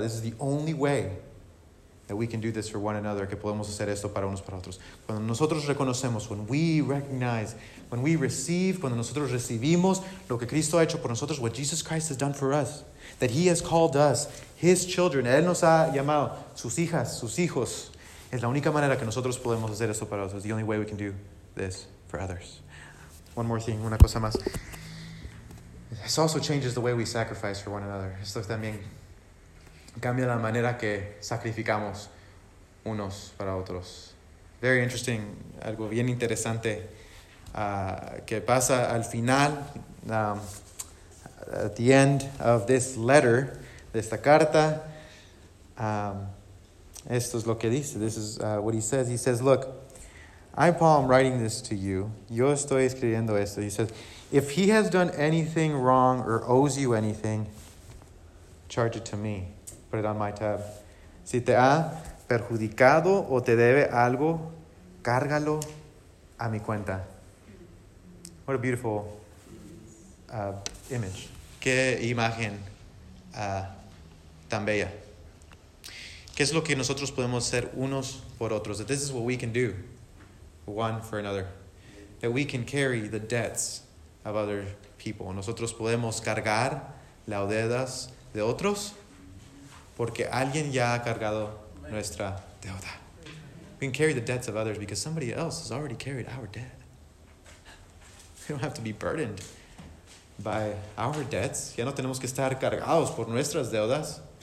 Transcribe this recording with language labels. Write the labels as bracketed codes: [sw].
[en] This is the only way that we can do this for one another. [es] Que podemos hacer esto para unos para otros. Cuando nosotros reconocemos, [en] when we recognize, when we receive, [es] cuando nosotros recibimos lo que Cristo ha hecho por nosotros, [en] what Jesus Christ has done for us, that he has called us his children. [es] Él nos ha llamado sus hijas, sus hijos. Es la única manera que nosotros podemos hacer esto para otros. [en] It's the only way we can do this for others. One more thing, [es] una cosa más. [en] This also changes the way we sacrifice for one another. [es] Esto también cambia la manera que sacrificamos unos para otros. [en] Very interesting, [es] algo bien interesante que pasa al final, [en] at the end of this letter, [es] de esta carta. Esto es lo que dice. [en] This is what he says. He says, look, I, Paul, am writing this to you. [es] Yo estoy escribiendo esto. [en] He says, if he has done anything wrong or owes you anything, charge it to me. Put it on my tab. [es] Si te ha perjudicado o te debe algo, cárgalo a mi cuenta. [en] What a beautiful image. [es] Qué imagen tan bella. ¿Qué es lo que nosotros podemos hacer unos por otros? [en] That this is what we can do, one for another. That we can carry the debts of other people. [es] Nosotros podemos cargar las deudas de otros porque alguien ya ha cargado nuestra deuda. [en] We can carry the debts of others because somebody else has already carried our debt. We don't have to be burdened by our debts. [es] Ya no tenemos que estar cargados por nuestras deudas.